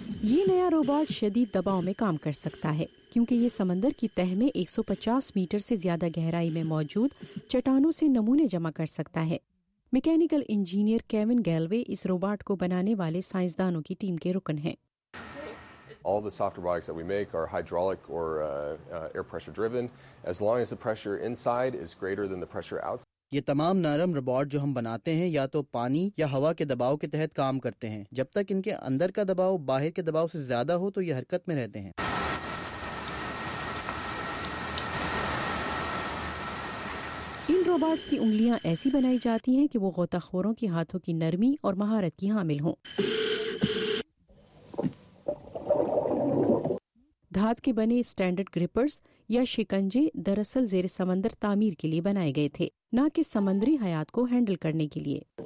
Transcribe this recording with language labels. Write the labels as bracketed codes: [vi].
[ur] یہ نیا روبوٹ شدید دباؤ میں کام کر سکتا ہے، کیونکہ یہ سمندر کی تہہ میں 150 میٹر سے زیادہ گہرائی میں موجود چٹانوں سے نمونے جمع کر سکتا ہے۔ میکینیکل انجینئر کیون گیلوے اس روبوٹ کو بنانے والے سائنسدانوں کی ٹیم کے رکن ہیں۔ [en] All the soft robotics that we make are hydraulic or air pressure driven, as long as the pressure inside is greater than the pressure outside. [ur] یہ تمام نرم روبوٹ جو ہم بناتے ہیں یا تو پانی یا ہوا کے دباؤ کے تحت کام کرتے ہیں۔ جب تک ان کے اندر کا دباؤ باہر کے دباؤ سے زیادہ ہو تو یہ حرکت میں رہتے ہیں۔ ان روبوٹس کی انگلیاں ایسی بنائی جاتی ہیں کہ وہ غوطہ خوروں کی ہاتھوں کی نرمی اور مہارت کی حامل ہوں۔ دھات کے بنے اسٹینڈرڈ گرپرز یا شکنجے دراصل زیر سمندر تعمیر کے لیے بنائے گئے تھے، نہ کہ سمندری حیات کو ہینڈل کرنے کے لیے۔